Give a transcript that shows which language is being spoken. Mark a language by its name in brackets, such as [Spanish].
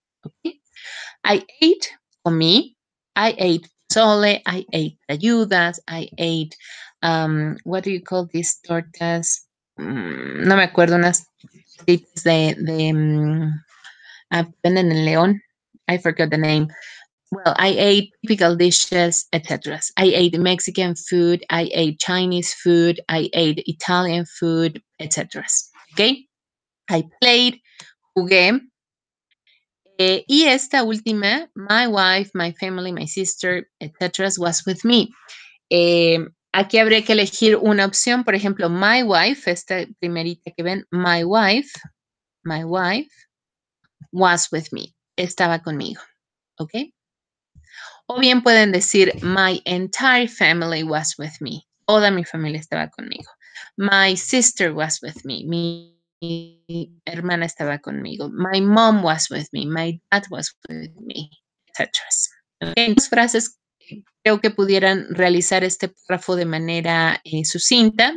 [English] ¿Okay? I ate, [Spanish] comí, [English] I ate. Sole, I ate tlayudas, I ate, what do you call these tortas? [Spanish] No me acuerdo, unas tortitas venden en León. [English] I forgot the name. Well, I ate typical dishes, etc. I ate Mexican food, I ate Chinese food, I ate Italian food, etc. Okay? I played, [Spanish] jugué. Y esta última, [English] my wife, my family, my sister, etc., was with me. [Spanish] Aquí habría que elegir una opción. Por ejemplo, my wife, esta primerita que ven, [English] my wife was with me. [Spanish] Estaba conmigo, ¿ok? O bien pueden decir, [English] my entire family was with me. [Spanish] Toda mi familia estaba conmigo. [English] My sister was with me. [Spanish] Mi hermana estaba conmigo. [English] My mom was with me. My dad was with me, [Spanish] etc. En dos frases, creo que pudieran realizar este párrafo de manera sucinta.